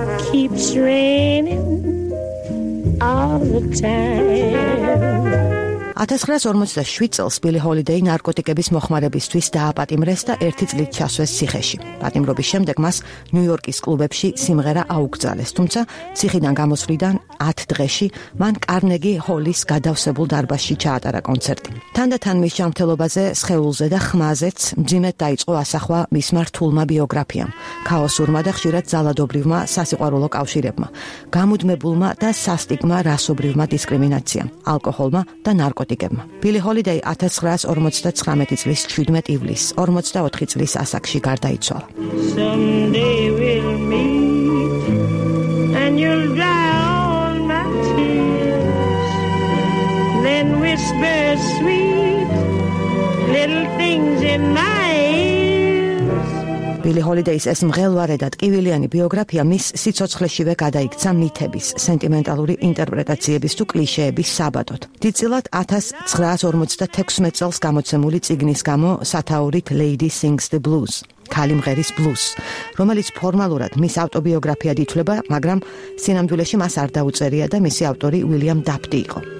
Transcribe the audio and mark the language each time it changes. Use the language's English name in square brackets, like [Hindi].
[English] Keeps raining all the time. [Georgian] 1947 წელს ბილი ჰოლიდეი ნარკოტიკების მოხმარებისთვის დააპატიმრეს და ერთი წლით ჩასვეს ციხეში. პატიმრობის შემდეგ მას ნიუ-იორკის კლუბებში სიმღერა აუკრძალეს, თუმცა ციხიდან გამოსვლიდან 10 დღეში მან კარნეგი ჰოლის გადავსებულ დარბაზში ჩაატარა კონცერტი. თანდათან მის ჯანმრთელობაზე, სხეულზე და ხმაზეც მძიმედ დაიწყო ასახვა მისმა რთულმა ბიოგრაფიამ, ქაოსურმა და ხშირად ძალადობრივმა სასიყვარულო კავშირებმა, გამუდმებულმა და სასტიგმა რასობრივმა დისკრიმინაციამ, ალკოჰოლმა და ნარკოტიკებმა. ბილი ჰოლიდეი 1959 წლის 17 ივლისს 44 წლის ასაკში გარდაიცვალა. [English] Someday we'll meet and you'll dry all my tears, then whisper sweet little things in my ears. [Georgian] ბილი ჰოლიდეის ეს მღელვარე და ტკივილიანი ბიოგრაფია მის სიცოცხლეშივე გადაიქცა მითების, სენტიმენტალური ინტერპრეტაციების თუ კლიშეების საბადოდ. დიდწილად 1956 წელს გამოცემული წიგნის გამო სათაურით Lady Sings the Blues, ქალი მღერის ბლუზს, რომელიც ფორმალურად მის ავტობიოგრაფიად ითვლება, მაგრამ სინამდვილეში მას არ დაუწერია და მისი ავტორი უილიამ დაფტი იყო.